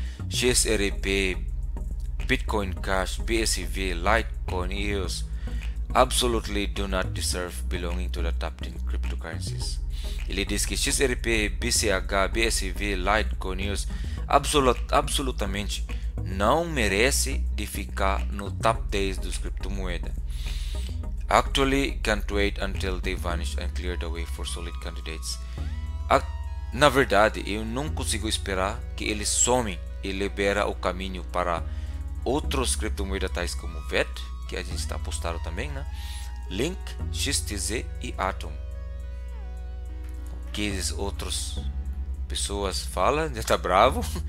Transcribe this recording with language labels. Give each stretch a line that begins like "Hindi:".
English: XRP, Bitcoin Cash, BSV, Litecoin, EOS absolutely do not deserve belonging to the top 10 cryptocurrencies.
Portuguese: Ele diz que XRP, BCH, BSV, Litecoin, EOS absolutamente não merece de ficar no top 10 dos criptomoedas.
English: Actually, can't wait until they vanish and clear the way for solid candidates.
Portuguese: Na verdade, eu não consigo esperar que eles somem e libera o caminho para outros criptomoedas tais como VET, que a gente está apostando também, né? Link, XTZ e Atom. O que as outras pessoas falam? Já está bravo?